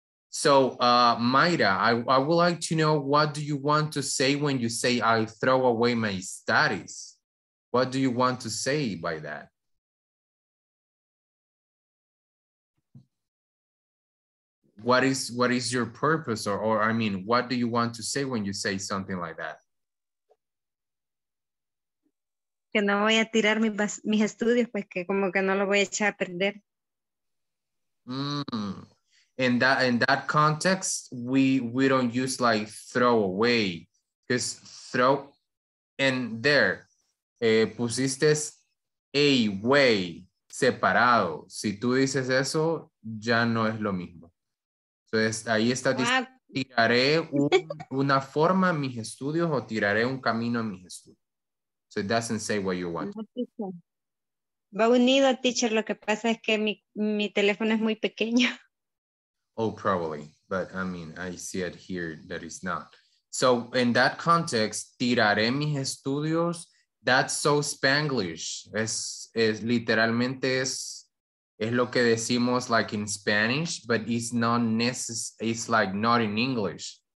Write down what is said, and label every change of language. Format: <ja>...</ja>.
<en>So, Mayra, I would like to know, what do you want to say when you say, I throw away my studies? What do you want to say by that? What is your purpose? Or I mean, what do you want to say when you say something like that?</en> <es>Que no voy a tirar mis estudios, pues que como que no lo voy a echar a perder. Mm.</es> <en>In that context, we don't use like throw away, because throw, and there,</en> <es>pusiste</es> <en>away,</en> <es>separado. Si tú dices eso, ya no es lo mismo. Entonces, ahí está, tiraré una forma a mis estudios o tiraré un camino a mis estudios.</es> <en>So it doesn't say what you want.</en> <es>Va unido, teacher, lo que pasa es que mi teléfono es muy pequeño.</es> <en>Oh, probably, but I mean, I see it here that it's not. So in that context,</en> <es>tiraré mis estudios,</es> <en>that's so Spanglish.</en> <es>Es literalmente es lo que decimos</es> <en>like in Spanish, but it's not necessary, it's like not in English.</en>